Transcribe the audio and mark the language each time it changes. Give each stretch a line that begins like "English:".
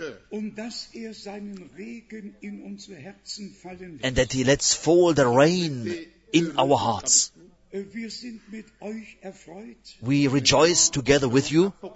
German: und dass er seinen Regen in unsere Herzen fallen lässt,
English: and that he lets fall the rain in our hearts.
German: Wir sind mit euch erfreut.
English: We rejoice together with you.